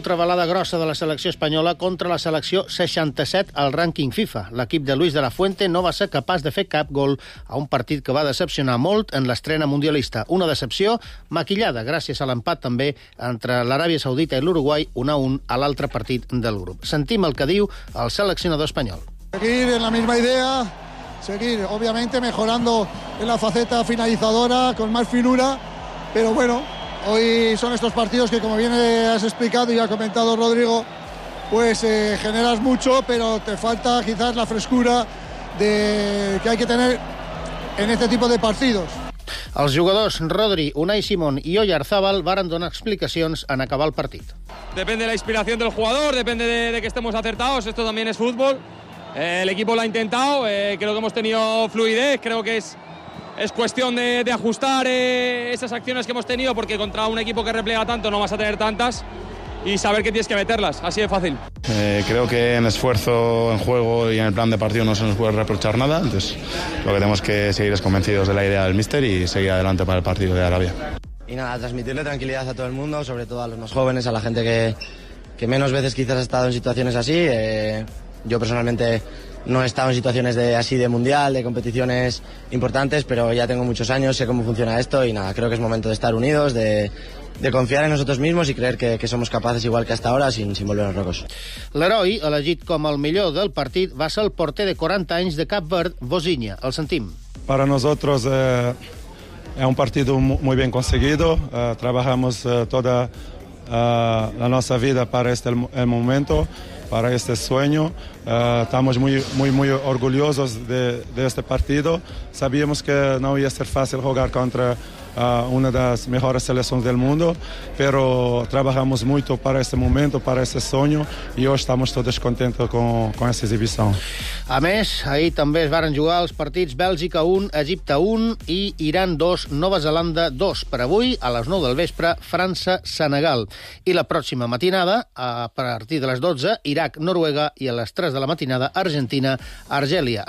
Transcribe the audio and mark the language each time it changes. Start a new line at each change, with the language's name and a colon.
Catalan: Travelada grossa de la selecció espanyola contra la selecció 67 al rànquing FIFA. L'equip de Luis de la Fuente no va ser capaç de fer cap gol a un partit que va decepcionar molt en l'estrena mundialista. Una decepció maquillada gràcies a l'empat també entre l'Aràbia Saudita i l'Uruguai, 1-1 a l'altre partit del grup. Sentim el que diu el seleccionador espanyol.
Spanish: Seguir en la misma idea, seguir obviamente mejorando en la faceta finalizadora con más finura, pero bueno, hoy son estos partidos que, como bien has explicado y ha comentado Rodrigo, pues generas mucho, pero te falta quizás la frescura de que hay que tener en este tipo de partidos.
Catalan: Els jugadors Rodri, Unai Simón i Oyarzábal varen donar explicacions en acabar el partit.
Spanish: Depende de la inspiración del jugador, depende de que estemos acertados, esto también es fútbol. El equipo lo ha intentado, creo que hemos tenido fluidez, creo que es cuestión de ajustar esas acciones que hemos tenido, porque contra un equipo que repliega tanto no vas a tener tantas y saber que tienes que meterlas, así de fácil. Creo que en esfuerzo, en juego y en el plan de partido no se nos puede reprochar nada, entonces lo que tenemos que seguir es convencidos de la idea del míster y seguir adelante para el partido de Arabia. Y nada, transmitirle tranquilidad a todo el mundo, sobre todo a los más jóvenes, a la gente que menos veces quizás ha estado en situaciones así. Yo personalmente no he estado en situaciones de mundial, de competiciones importantes, pero ya tengo muchos años, sé cómo funciona esto y nada, creo que es momento de estar unidos, de confiar en nosotros mismos y creer que somos capaces igual que hasta ahora sin volver a rocos.
Catalan: L'heroi, elegit com el millor del partit, va ser el porter de 40 anys de Cap Verd, Vosinha. El sentim.
Spanish: Para nosotros es un partido muy bien conseguido. Trabajamos toda la nuestra vida para este el momento, para este sueño. Estamos muy, muy, muy orgullosos de este partido. Sabíamos que no iba a ser fácil jugar contra una de las mejores selecciones del mundo, pero trabajamos mucho para este momento, para este sueño, y hoy estamos todos contentos con esta exhibición.
Catalan: A més, ahir també es varen jugar els partits Bèlgica 1, Egipte 1 i Iran 2, Nova Zelanda 2. Per avui, a les 9 del vespre, França-Senegal. I la pròxima matinada, a partir de les 12, Iraq-Noruega, i a les 3 de la matinada, Argentina-Argèlia.